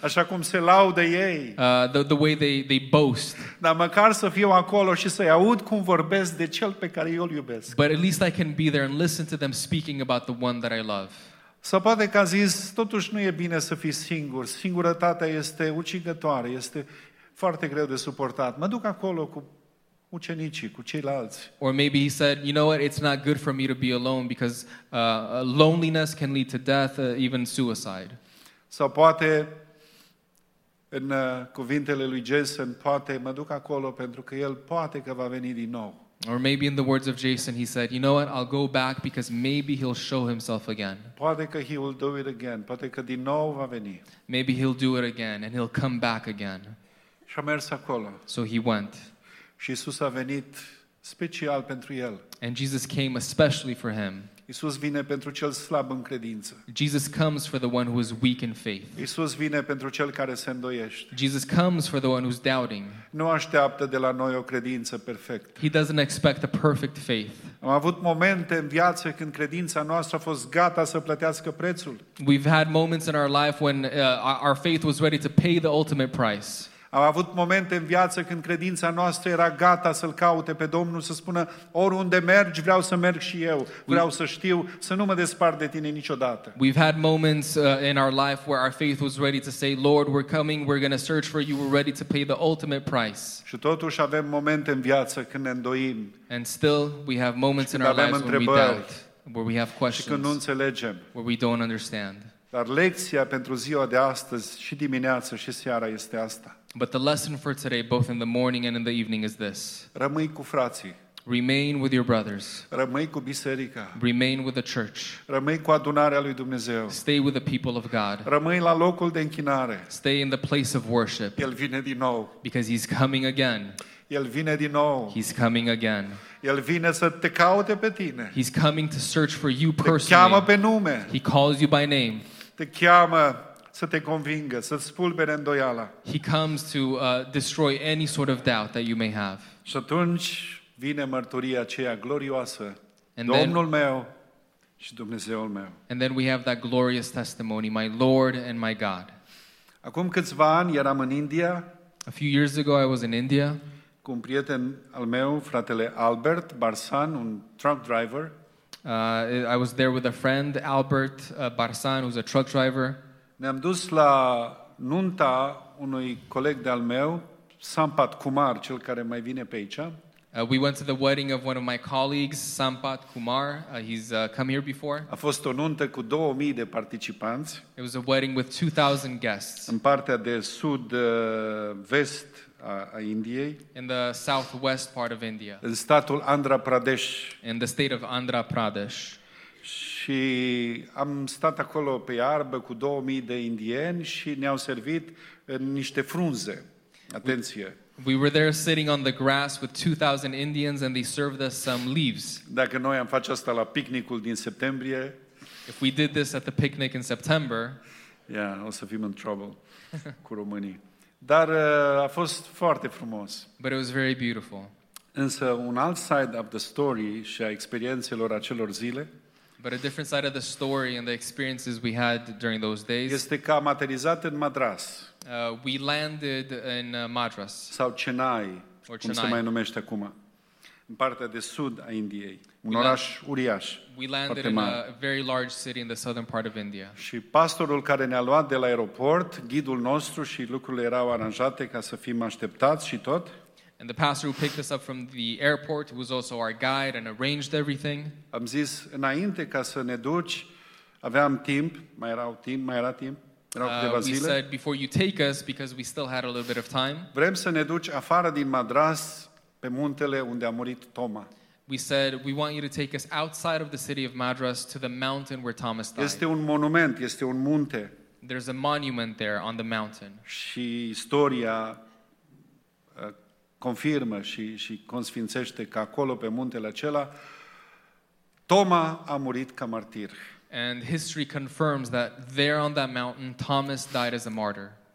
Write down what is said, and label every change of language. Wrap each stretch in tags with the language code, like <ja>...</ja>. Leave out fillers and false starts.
<ro>Așa cum se laudă ei.</ro> <en>The way they boast.</en> <ro>Dar măcar să fiu acolo și să-i aud cum vorbesc de cel pe care eu îl iubesc.</ro> <en>But at least I can be there and listen to them speaking about the one that I love.</en> <ro>Sau poate că a zis, totuși nu e bine să fii singur. Singurătatea este ucigătoare, este foarte greu de suportat. Mă duc acolo cu ucenicii, cu ceilalți.</ro> <en>Or maybe he said, you know what, it's not good for me to be alone because loneliness can lead to death, even suicide.</en> <ro>Sau poate, în cuvintele lui Jason, poate mă duc acolo pentru că el poate că va veni din nou.</ro> <en>Or maybe in the words of Jason, he said, you know what, I'll go back because maybe he'll show himself again.</en> <ro>Poate că</ro> <en>he will do it again.</en> <ro>Poate că din nou va veni.</ro> <en>Maybe he'll do it again and he'll come back again.</en> <ro>Și a mers acolo.</ro> <en>So he went.</en> <ro>Și Iisus a venit special pentru el.</ro> <en>And Jesus came especially for him.</en> <ro>Iisus vine pentru cel slab în credință.</ro> <en>Jesus comes for the one who is weak in faith.</en> <ro>Iisus vine pentru cel care se îndoiește.</ro> <en>Jesus comes for the one who's doubting.</en> <ro>Nu așteaptă de la noi o credință perfectă.</ro> <en>He doesn't expect a perfect faith.</en> <ro>Am avut momente în viață când credința noastră a fost gata să plătească prețul.</ro> <en>We've had moments in our life when our faith was ready to pay the ultimate price.</en> <ro>Am avut momente în viață când credința noastră era gata să-L caute pe Domnul, să spună, oriunde mergi, vreau să merg și eu, vreau să știu, să nu mă despart de Tine niciodată.</ro> <en>We've had moments in our life where our faith was ready to say, Lord, we're coming, we're going to search for You, we're ready to pay the ultimate price.</en> <ro>Și totuși avem momente în viață când ne îndoim.</ro> <en>And still, we have moments in our lives when we doubt, where we have questions,</en> <ro>și când nu înțelegem,</ro> <en>where we don't understand.</en> <ro>Dar lecția pentru ziua de astăzi, și dimineața și seara, este asta.</ro> <en>But the lesson for today, both in the morning and in the evening, is this.</en> <ro>Rămâi cu frații.</ro> <en>Remain with your brothers.</en> <ro>Rămâi cu biserica.</ro> <en>Remain with the church.</en> <ro>Rămâi cu adunarea lui Dumnezeu.</ro> <en>Stay with the people of God.</en> <ro>Rămâi la locul de închinare.</ro> <en>Stay in the place of worship.</en> <ro>El vine din nou.</ro> <en>Because he's coming again.</en> <ro>El vine din nou.</ro> <en>He's coming again.</en> <ro>El vine să te caute pe tine.</ro> <en>He's coming to search for you personally.</en> <ro>Te cheamă pe nume.</ro> <en>He calls you by name.</en> <ro>Te cheamă să te convingă, să-ți spulbere îndoiala.</ro> <en>He comes to destroy any sort of doubt that you may have.</en> <ro>Și atunci vine mărturia aceea glorioasă, Domnul meu și Dumnezeul meu.</ro> <en>And then we have that glorious testimony, my Lord and my God.</en> <ro>Acum câțiva ani eram în India.</ro> <en>A few years ago I was in India.</en> <ro>Cu un prieten al meu, fratele Albert Barsan, un</ro> <en>truck driver. I was there with a friend, Albert Barsan, who's a truck driver.</en> <ro>Ne-am dus la nunta unui coleg de-al meu, Sampat Kumar, cel care mai vine pe aici.</ro> <en>We went to the wedding of one of my colleagues, Sampat Kumar. He's come here before.</en> <ro>A fost o nuntă cu 2000 de participanți.</ro> <en>It was a wedding with 2000 guests.</en> <ro>În partea de sud-vest a Indiei.</ro> <en>In the southwest part of India.</en> <ro>În statul Andhra Pradesh.</ro> <en>In the state of Andhra Pradesh.</en> <ro>Și am stat acolo pe iarbă cu 2000 de indieni și ne-au servit niște frunze. Atenție.</ro> <en>We were there sitting on the grass with 2000 Indians and they served us some leaves.</en> <ro>Dacă noi am face asta la picnicul din septembrie,</ro> <en>if we did this at the picnic in September,</en> <ro>yeah, o să fim în trouble cu românii. Dar a fost foarte frumos.</ro> <en>But it was very beautiful.</en> <ro>Însă un alt</ro> <en>side of the story</en> <ro>și a experiențelor acelor zile,</ro> <en>but a different side of the story and the experiences we had during those days,</en> <ro>este că am aterizat în Madras.</ro> <en>We landed in Madras.</en> <ro>Sau Chennai,</ro> <en>or Chennai,</en> <ro>cum se mai numește acum, în partea de sud a Indiei, un oraș uriaș.</ro> <en>We landed in a very large city in the southern part of India.</en> <ro>Și pastorul care ne-a luat de la aeroport, ghidul nostru, și lucrurile erau aranjate ca să fim așteptați și tot.</ro> <en>And the pastor who picked us up from the airport, who was also our guide and arranged everything.</en> <ro>Am zis, înainte ca să ne duci, aveam timp, mai era timp.</ro> <en>We said, before you take us, because we still had a little bit of time.</en> <ro>Vrem să ne duci afară din Madras, pe muntele unde a murit Toma.</ro> <en>We said, we want you to take us outside of the city of Madras to the mountain where Thomas died.</en> <ro>Este un monument, este un munte.</ro> <en>There's a monument there on the mountain.</en> <ro>Și istoria confirmă și consfințește că acolo, pe muntele acela, Toma a murit ca martir.</ro> <en>And history confirms that there on that mountain, Thomas died as a martyr.</en>